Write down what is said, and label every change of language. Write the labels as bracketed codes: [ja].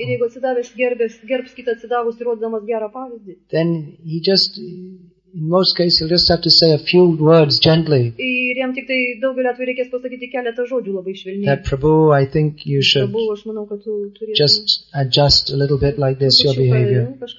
[lt] ir jeigu atsidavęs gerbs kitą atsidavus ir rodydamas gerą pavyzdį, [en] then he just, in most cases, he'll just have to say a few words gently. [lt] Ir jam tik tai daugeliu atveju reikės pasakyti keletą žodžių labai švelniai. [en] That Prabhu, I think you should just adjust a little bit like this your behavior.